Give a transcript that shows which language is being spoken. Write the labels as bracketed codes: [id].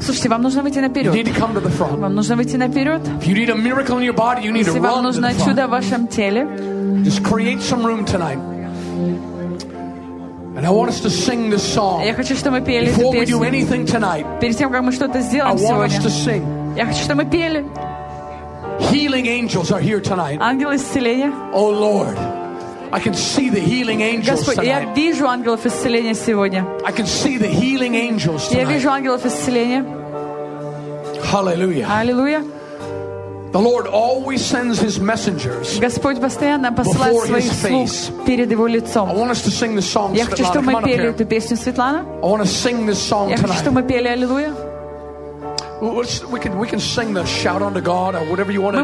[ru] Слушайте, вам нужно выйти наперед. [en] You need to come to the front. [ru] Вам нужно выйти наперед. [en] If you need a miracle in your body, you need to run to the front. [ru] Если вам нужно чудо в вашем теле. [en] Just create some room tonight. And I want us to sing this song. [ru] Я хочу, чтобы мы пели эту песню. [en] Before we do anything tonight. [ru] Перед тем, как мы что-то сделаем сегодня. [en] I want us to sing. [ru] Я хочу, чтобы мы пели. [en] Healing angels are here tonight. [ru] Ангелы исцеления. [en] Oh Lord. I can see the healing angels tonight. [ru] Господи, я вижу ангелов исцеления сегодня. [en] I can see the healing angels tonight. [ru] Я вижу ангелов исцеления. [en] Hallelujah. [ru] Hallelujah. [en] The Lord always sends His messengers. [ru] Господь постоянно посылает своих слуг перед Его лицом. [en] I want us to sing this song, Svetlana. [ru] Я хочу, чтобы мы пели эту песню, Светлана. [en] I want to sing this song tonight. [ru] Я хочу, чтобы мы пели Аллилуйя. [en] We can sing the shout unto God or whatever you want to do.